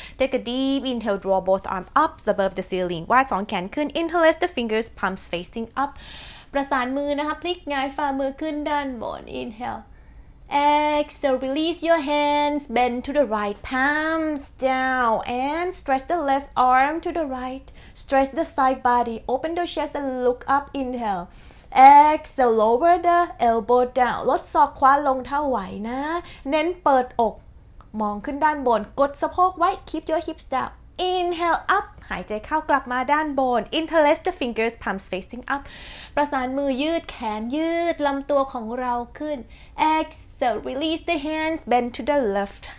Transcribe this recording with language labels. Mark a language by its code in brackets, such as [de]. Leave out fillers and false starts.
[en] Take a deep inhale, draw both arms up above the ceiling. [th] วาดสองแขนขึ้น [en] Interlace the fingers, palms facing up. [th] ประสานมือนะคะพลิกงายฝ่ามือขึ้นด้านบน [en] InhaleExhale, release your hands, bend to the right, palms down, and stretch the left arm to the right. Stretch the side body, open the chest and look up, inhale. Exhale, lower the elbow down. [th] ลดศอกขวาลงเท่าไหวนะเน้นเปิดอกมองขึ้นด้านบนกดสะโพกไว้ [en] keep your hips down. Inhale, up, [th] หายใจเข้ากลับมาด้านบน [en] Interlace the fingers, palms facing up. [th] ประสานมือยืดแขนยืดลำตัวของเราขึ้น [en] Exhale, release the hands, bend to the left.